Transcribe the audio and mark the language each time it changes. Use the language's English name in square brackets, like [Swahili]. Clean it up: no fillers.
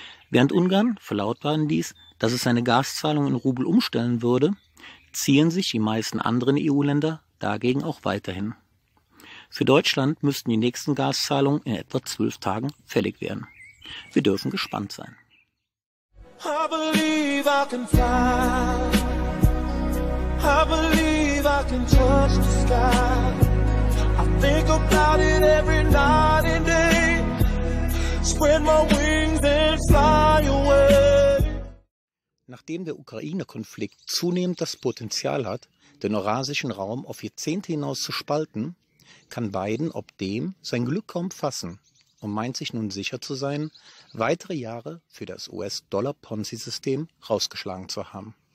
[German] Während Ungarn verlautbaren ließ, dass es seine Gaszahlung in Rubel umstellen würde, ziehen sich die meisten anderen EU-Länder dagegen auch weiterhin. Für Deutschland müssten die nächsten Gaszahlungen in etwa 12 Tagen fällig werden. Wir dürfen gespannt sein. [English] I believe I can fly. I believe I can touch the sky. I think about it every night and day. Spread my wings and fly away. [German] Nachdem der Ukraine-Konflikt zunehmend das Potenzial hat, den eurasischen Raum auf Jahrzehnte hinaus zu spalten, kann Biden ob dem sein Glück kaum fassen und meint sich nun sicher zu sein, weitere Jahre für das US-Dollar-Ponzi-System rausgeschlagen zu haben.